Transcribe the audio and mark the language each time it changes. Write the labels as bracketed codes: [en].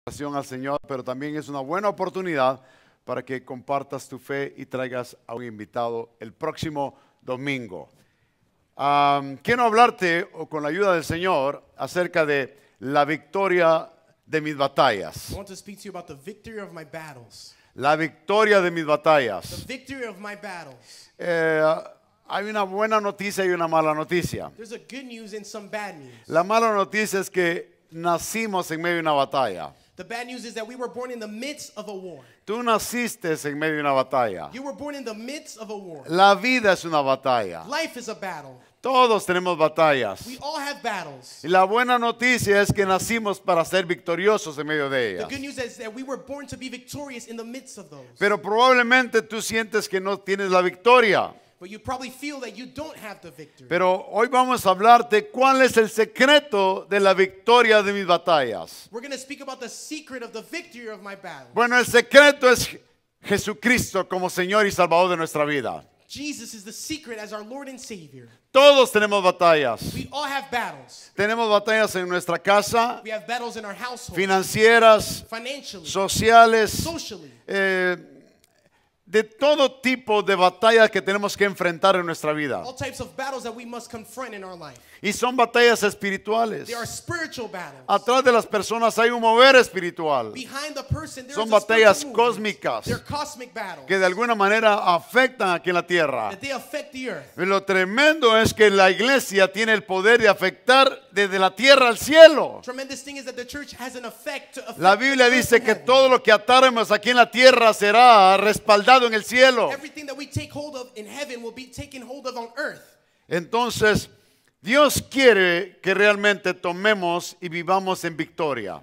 [es] adoración al Señor, pero también es una buena oportunidad para que compartas tu fe y traigas a un invitado el próximo domingo. Quiero hablarte, o con la ayuda del Señor, acerca de la victoria de mis batallas. [en] I want to speak to you about the victory of my battles. [es] La victoria de mis batallas. [en] The victory of my battles. [es] Hay una buena noticia y una mala noticia. [en] There's a good news and some bad news. [es] La mala noticia es que nacimos en medio de una batalla. [en] The bad news is that we were born in the midst of a war. [es] Tú naciste en medio de una batalla. [en] You were born in the midst of a war. [es] La vida es una batalla. [en] Life is a battle. [es] Todos tenemos batallas. [en] We all have battles. [es] Y la buena noticia es que nacimos para ser victoriosos en medio de ellas. [en] The good news is that we were born to be victorious in the midst of those. [es] Pero probablemente tú sientes que no tienes la victoria. [en] But you probably feel that you don't have the victory. [es] Pero hoy vamos a hablarte cuál es el secreto de la victoria de mis batallas. [en] We're going to speak about the secret of the victory of my battles. [es] Bueno, el secreto es Jesucristo como Señor y Salvador de nuestra vida. [en] Jesus is the secret as our Lord and Savior. [es] Todos tenemos batallas. [en] We all have battles. [es] Tenemos batallas en nuestra casa. [en] We have battles in our household. [es] Financieras. [en] Financially. [es] Sociales. [en] Socially. [es] De todo tipo de batallas que tenemos que enfrentar en nuestra vida. [en] All types of battles that we must confront in our life. [es] Y son batallas espirituales. [en] They are spiritual battles. [es] Atrás de las personas hay un mover espiritual. [en] Behind the person, there [es] son batallas cósmicas. [en] They're cosmic battles. [es] Que de alguna manera afectan aquí en la tierra. [en] That they affect the earth. [es] Y lo tremendo es que la iglesia tiene el poder de afectar desde la tierra al cielo. [en] Tremendous thing is that the church has an effect to affect. [es] La Biblia dice que todo lo que ataremos aquí en la tierra será respaldado en el cielo. [en] Everything that we take hold of in heaven will be taken hold of on earth. [es] Entonces, Dios quiere que realmente tomemos y vivamos en victoria.